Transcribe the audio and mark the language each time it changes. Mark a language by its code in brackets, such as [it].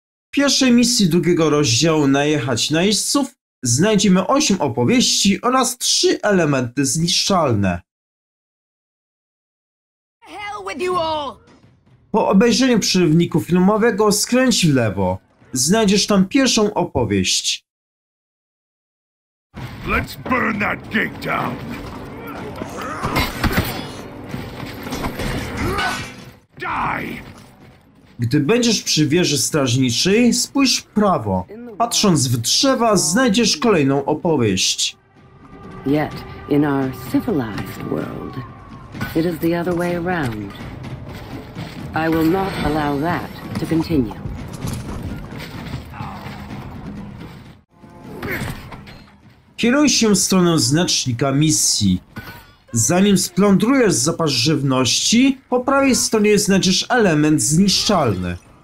[pl] W pierwszej misji drugiego rozdziału najechać na jeźdźców znajdziemy 8 opowieści oraz 3 elementy zniszczalne. Po obejrzeniu przerywniku filmowego skręć w lewo. Znajdziesz tam pierwszą opowieść. [en] Let's burn that gate down. Die! [pl] Gdy będziesz przy wieży strażniczej, spójrz w prawo. Patrząc w drzewa, znajdziesz kolejną opowieść. [en] Yet in our civilized world, it is the other way around. I will not allow that to continue. [pl] Kieruj się w stronę znacznika misji. Zanim splądrujesz zapas żywności, po prawej stronie znajdziesz element zniszczalny.